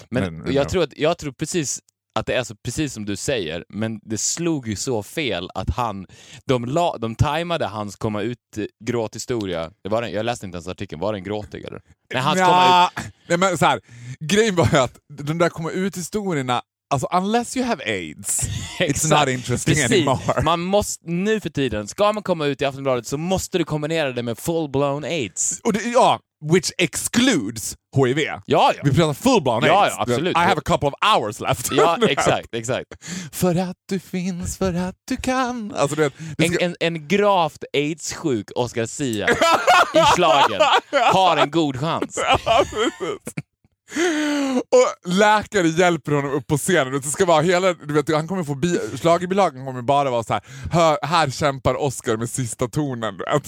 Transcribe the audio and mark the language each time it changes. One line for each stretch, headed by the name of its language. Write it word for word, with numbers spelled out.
Swedish: Men, men jag, tror att, jag tror precis att det är så precis som du säger. Men det slog ju så fel att han... De, la, de tajmade hans komma ut gråthistoria. Det var en, jag läste inte ens artikeln. Var den gråtig eller? Nej, hans komma ut... Nej, men så här. Grejen var ju att de där komma ut historierna...
English: Alltså, unless you have AIDS, it's not interesting
Swedish: precis.
English: Anymore.
Swedish: Man måste, nu för tiden, ska man komma ut i Aftonbladet så måste du kombinera det med full-blown AIDS. Och det, ja,
English: which excludes H I V.
Swedish: Ja, ja. Vi pratar full-blown ja, AIDS. Ja, absolut.
English: I have a couple of hours left.
Swedish: Ja, exakt, exakt. För att du finns, för att du kan. Alltså, det, det ska... en, en, en gravt AIDS-sjuk Oscar Sia i slagen har en god chans. Ja, precis. Och läkare hjälper honom upp på scenen. Det ska vara hela, du vet, han kommer få bi- slag i bilagen kommer bara vara så här, här, här kämpar Oscar med sista tonen.